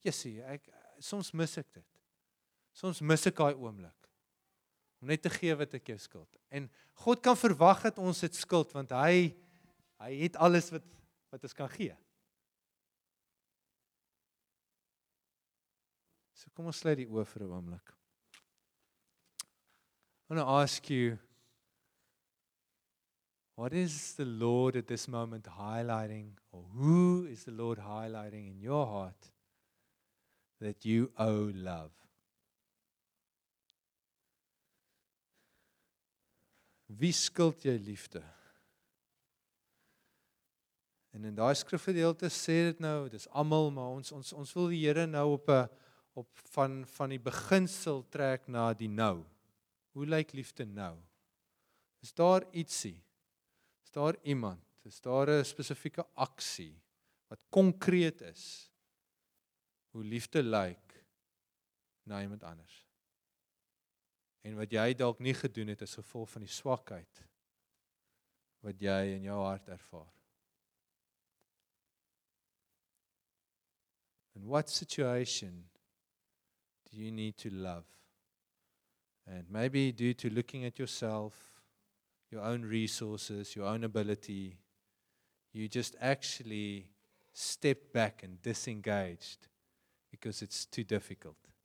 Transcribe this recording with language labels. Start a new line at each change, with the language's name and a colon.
Afrikaans: Jissie, soms mis ek dit. Soms mis ek hy oomblik. Om net te gee wat ek jou skuld. En God kan verwag dat ons het skuld, want hy het alles wat ons kan gee. So kom ons sluit die oë vir 'n oomblik.
English: I want to ask you, what is the Lord at this moment highlighting, or who is the Lord highlighting in your heart that you owe love?
Afrikaans: Wie skuld jy liefde? En in daai skrifgedeelte sê dit nou, dis almal, maar ons wil die Here nou op van die beginsel trek na die nou. Hoe lyk liefde nou? Is daar ietsie? Is daar iemand? Is daar 'n spesifieke aksie wat konkreet is? Hoe liefde lyk na iemand anders? En wat jy dalk nie gedoen het as gevolg van die swakheid wat jy in jou hart ervaar.
English: In what situation do you need to love? And maybe due to looking at yourself, your own resources, your own ability, you just actually step back and disengaged because it's too difficult.